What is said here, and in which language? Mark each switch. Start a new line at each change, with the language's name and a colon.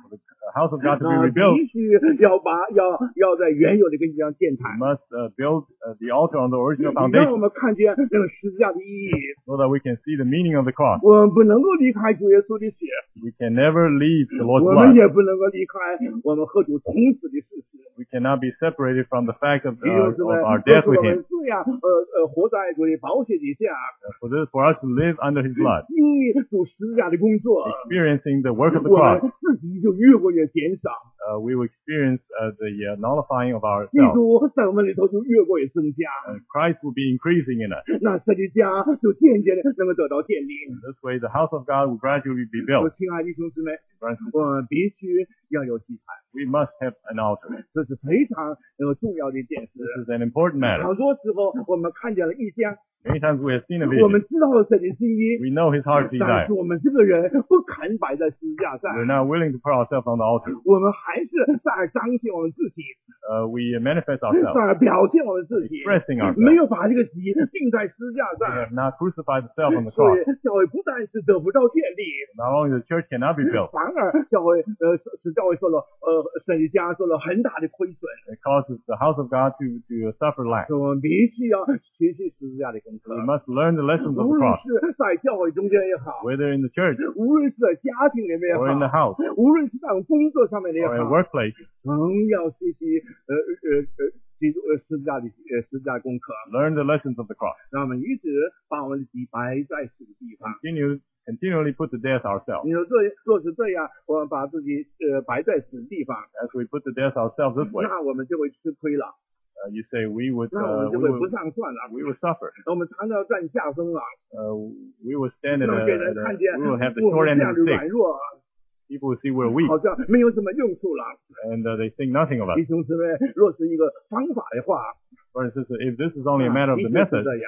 English: The house of God to be rebuilt.
Chinese: 必须要把要在原有的根基上建坛
English: We must build the altar on the original foundation.
Chinese: 让我们看见那个十字架的意义
English: So that we can see the meaning of the cross.
Chinese: 我们不能够离开主耶稣的血
English: We can never leave the Lord's blood.
Chinese: 我们也不能够离开我们和主同死的事实
English: We cannot be separated from the fact of our death with him.
Chinese: 这样活在主的宝血底下
English: For us to live under his blood.
Chinese: 经历主十字架的工作
English: Experiencing the work of the cross.
Chinese: 我们自己就越过越减少
English: We will experience the nullifying of ourselves.
Chinese: 基督在我们里头就越过越增加
English: Christ will be increasing in us.
Chinese: 那这个家就渐渐的能够得到建立
English: In this way, the house of God will gradually be built.
Chinese: 亲爱的弟兄姊妹我们必须要有祭坛
English: We must have an altar.
Chinese: 这是非常重要的一件事
English: This is an important matter.
Chinese: 好多时候我们看见了异象
English: Many times we have seen a vision.
Chinese: 我们知道了神的心意
English: We know his heart's desire.
Chinese: 但是我们这个人不肯摆在十字架上
English: We're not willing to put ourselves on the altar.
Chinese: 我们还是在彰显我们自己
English: We manifest ourselves.
Chinese: 在表现我们自己
English: Expressing ourselves.
Chinese: 没有把这个己钉在十字架上
English: We have not crucified ourselves on the cross.
Chinese: 所以教会不但是得不到建立
English: Not only the church cannot be built.
Chinese: 反而教会使教会受了神的家受了很大的亏损
English: It causes the house of God to suffer lack.
Chinese: 所以我们必须要学习十字架的
English: We must learn the lessons of the cross.
Chinese: 无论是在教会中间也好
English: Whether in the church,
Chinese: 无论是在家庭里面也好
English: Or in the house,
Chinese: 无论是在工作上面也好
English: Or in the workplace,
Chinese: 仍要学习十字架功课
English: Learn the lessons of the cross.
Chinese: 让我们一直把我们的己摆在死的地方
English: Continually put to death ourselves.
Chinese: 你说这若是这样，我们把自己摆在死的地方
English: As we put to death ourselves this way,
Chinese: 那我们就会吃亏了。
English: You say we would,
Chinese: 那我们就会不上算了。
English: We would suffer.
Chinese: 我们常常占下风啊。
English: We would stand at we would have the short end of the stick. People would see we're weak.
Chinese: 好像没有什么用处了。
English: And they think nothing of us.
Chinese: 弟兄姊妹，若是一个方法的话。
English: For instance, if this is only a matter of the method.